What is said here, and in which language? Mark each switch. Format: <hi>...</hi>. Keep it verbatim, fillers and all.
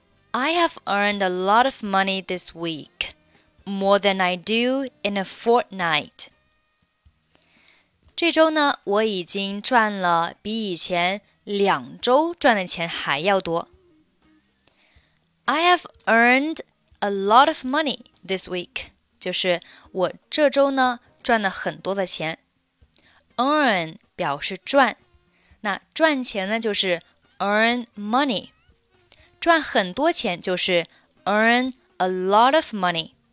<en>I have earned a lot of money this week. More than I do in a fortnight.</en> <zh>这周呢，我已经赚了比以前两周赚的钱还要多。</zh> <en>I have earned a lot of money this week.</en> <zh>就是我这周呢，赚了很多的钱。 Earn 表示赚，那赚钱呢，就是 earn money. 赚很多钱就是</zh> <en>earn a lot of money.</en>